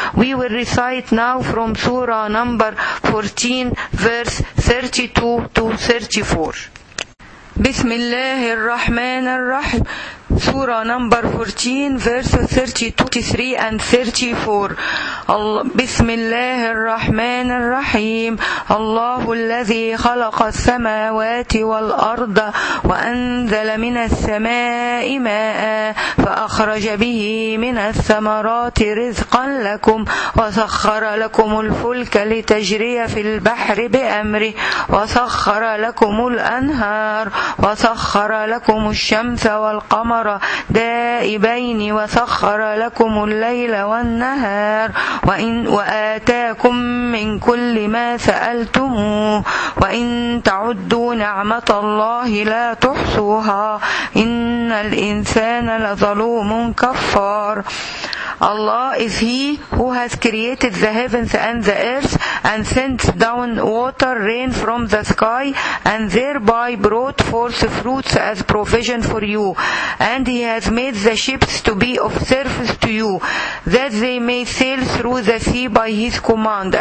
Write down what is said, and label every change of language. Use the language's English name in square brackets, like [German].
[English] We will recite now from Surah number 14, verse 32 to 34. [Arabic] بسم الله الرحمن الرحيم [English] Surah number 14 verse 32, 33 and 34. [Arabic] بسم الله الرحمن الرحيم الله الذي خلق السماوات والأرض وأنزل من السماء ماء فأخرج به من الثمرات رزقا لكم وسخر لكم الفلك لتجري في البحر بأمره وسخر لكم الأنهار وسخر لكم الشمس والقمر القمر دائبين وسخر لكم الليل والنهار وإن وآتاكم من كل ما سألتموه وإن تعدوا نعمة الله لا تحصوها إن الإنسان لظلوم كفار. [English] Allah is He who has created the heavens and the earth and sent down water, rain from the sky and thereby brought forth fruits as provision for you. And He has made the ships to be of service to you that they may sail through the sea by His command.